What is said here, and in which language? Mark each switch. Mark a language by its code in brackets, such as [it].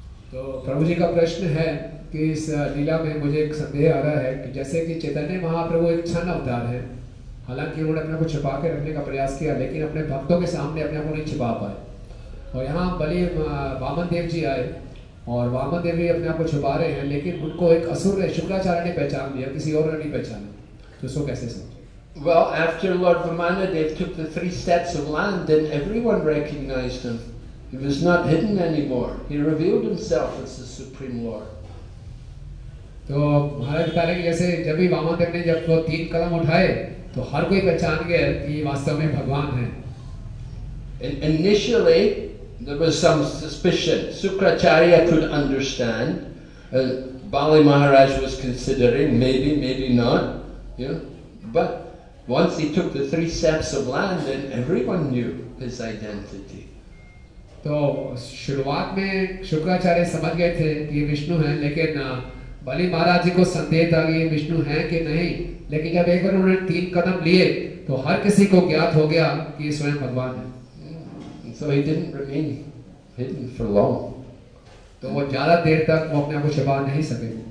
[hi] तो प्रभु जी का प्रश्न है कि इस लीला में मुझे एक संदेह आ रहा है कि जैसे कि चैतन्य महाप्रभु एक छन्न अवतार है हालांकि उन्होंने अपने को छुपा के रखने का प्रयास किया लेकिन अपने भक्तों के सामने अपने आप को नहीं छुपा पाए और यहाँ बलि वामनदेव जी आए और वामनदेव भी अपने आप को छुपा रहे हैं लेकिन उनको एक असुर ने शुक्राचार्य ने पहचान लिया किसी और ने नहीं पहचाना तो उसको कैसे समझे [en] Well, after Lord Vamanadev took the three steps of land, then everyone recognized him. He was not hidden anymore. He revealed himself as the Supreme Lord. [hi] तो महाराज बता रहे हैं जैसे जब भी वामनदेव ने जब वो तीन कदम उठाए तो हर कोई पहचान गया कि वास्तव में भगवान है [en] Initially, There was some suspicion. Shukracharya could understand. Bali Maharaj was considering, maybe, maybe not. You know? But once he took the three steps of land, then everyone knew his identity. [hi] So, शुरुआत में शुक्राचार्य समझ गए थे कि ये विष्णु हैं, लेकिन बलि महाराज जी को संदेह था कि ये विष्णु हैं कि नहीं. लेकिन जब एक बार उन्होंने तीन कदम लिए, तो हर किसी को ज्ञात हो गया कि ये स्वयं भगवान हैं. [en] So he didn't remain hidden for long. [hi] तो वो ज़्यादा देर तक वो अपने आप को छुपा नहीं सके.